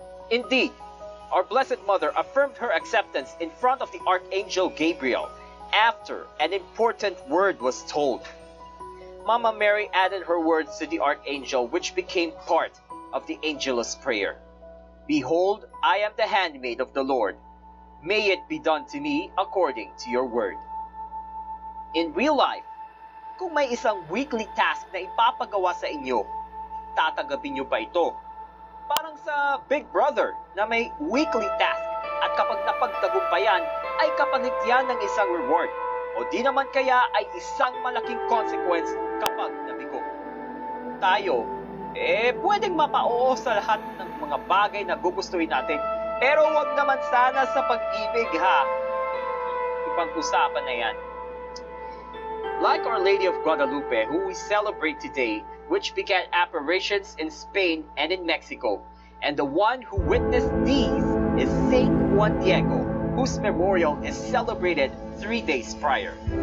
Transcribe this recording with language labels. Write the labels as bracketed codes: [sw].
[en] Indeed, our Blessed Mother affirmed her acceptance in front of the Archangel Gabriel after an important word was told. Mama Mary added her words to the Archangel, which became part of the Angelus prayer. "Behold, I am the handmaid of the Lord. May it be done to me according to your word." In real life, [tl] kung may isang weekly task na ipapagawa sa inyo, tatanggapin niyo ba ito? Parang sa Big Brother na may weekly task at kapag napagtagumpayan ay kapanitian ng isang reward o di naman kaya ay isang malaking consequence kapag nabigo. Tayo, pwedeng mapa-oo sa lahat ng mga bagay na gugustuhin natin pero huwag naman sana sa pag-ibig ha. Ipag-usapan na yan. [en] Like Our Lady of Guadalupe, who we celebrate today, which began apparitions in Spain and in Mexico. And the one who witnessed these is Saint Juan Diego, whose memorial is celebrated 3 days prior.